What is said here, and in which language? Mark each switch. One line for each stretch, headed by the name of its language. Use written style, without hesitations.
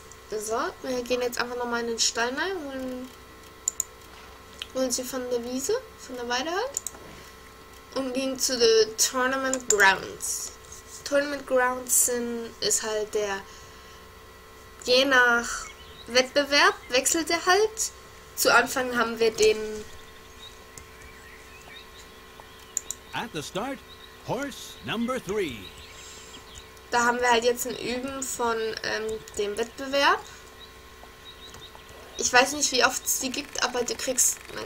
German: So, wir gehen jetzt einfach nochmal in den Stall rein und holen sie von der Wiese, von der Weide halt. Und gehen zu den Tournament Grounds. Tournament Grounds ist halt der, je nach Wettbewerb wechselt er halt. Zu Anfang haben wir den.
English: At the start, horse number three.
German: Da haben wir halt jetzt ein Üben von dem Wettbewerb. Ich weiß nicht, wie oft es die gibt, aber du kriegst.